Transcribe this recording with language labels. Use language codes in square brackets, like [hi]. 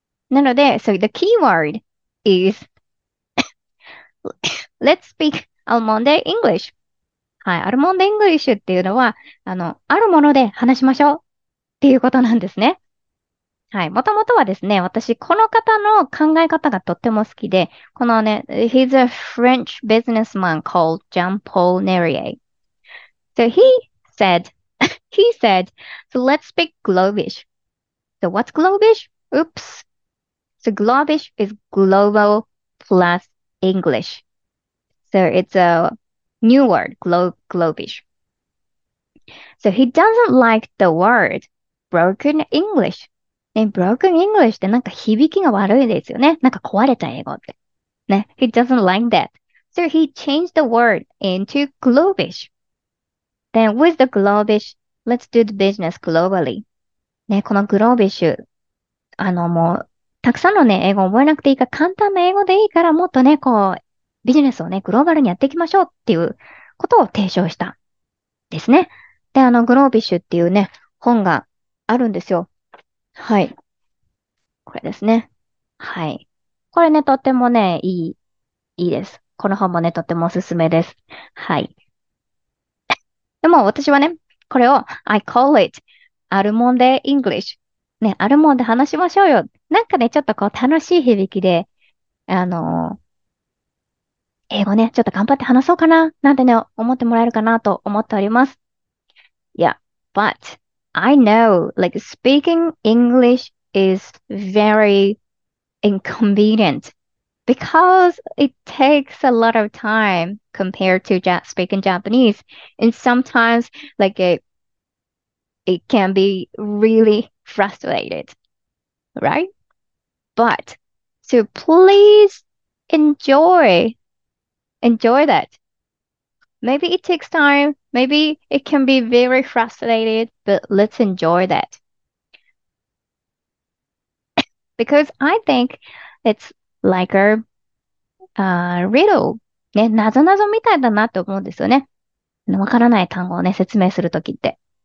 [ja] なので、 [en] so the keyword is let's speak Almonde English. [ja] はい。Almonde English っていうのは、あるもので話しましょう。ていうことなんですね。はい。もともとはですね、私、この方の考え方がとっても好きで、このね、 [en] He's a French businessman called Jean-Paul Nerier. So he said, so let's speak Globish. So what's Globish? Oops. So Globish is global plus English. So it's a new word, Globish. So he doesn't like the word broken English. [ja] ね、broken English ってなんか響きが悪いですよね。なんか壊れた英語って。ね。 [en] He doesn't like that. So he changed the word into Globish. Then with the Globish, let's do the business globally. [ja] ね、このグロービッシュ、もう、たくさんのね、英語を覚えなくていいか、簡単な英語でいいから、もっとね、こう、ビジネスをね、グローバルにやっていきましょうっていうことを提唱したですね。で、グロービッシュっていうね、本があるんですよ。はい。これですね。はい。これね、とってもね、いいです。この本もね、とってもおすすめです。はい。でも、私はね、これを、 [en] I call it [ja] アルモンデイングリッシュ。ね、アルモンデ話しましょうよ。なんかね、ちょっとこう楽しい響きで、英語ね、ちょっと頑張って話そうかな、なんてね、思ってもらえるかなと思っております。 [en] Yeah, but I know, like, speaking English is very inconvenient because it takes a lot of time compared to speaking Japanese. And sometimes, like, it can be really frustrated, right? But so please enjoy that. Maybe it takes time. Maybe it can be very frustrated, but let's enjoy that. Because I think it's like a riddle. [ja] ね、なぞなぞみたいだなって思うんですよね。わからない単語をね、説明するときって。